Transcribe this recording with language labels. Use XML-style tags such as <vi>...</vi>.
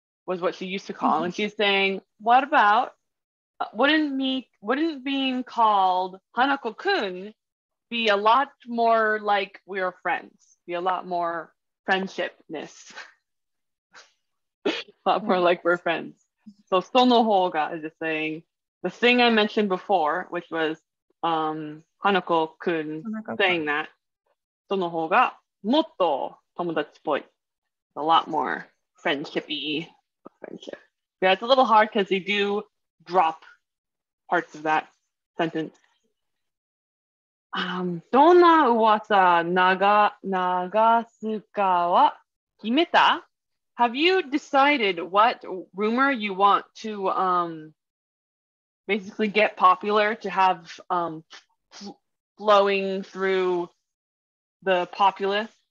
<en>Was what she used to call, and she's saying, "What about wouldn't being called Hanako-kun be a lot more like we are friends? Be a lot more friendshipness, a lot more like we're friends." So</en> <ja>sono hoga</ja> <en>is just saying the thing I mentioned before, which was Hanako-kun saying that</en> <ja>その方がもっと友達っぽい。</ja> <en>A lot more friendship-y. Friendship. Yeah, it's a little hard because you do drop parts of that sentence.</en> <ja>どんな噂流すかは決めた?</ja> <en>Have you decided what rumor you want to basically get popular to have flowing through the populace?</en>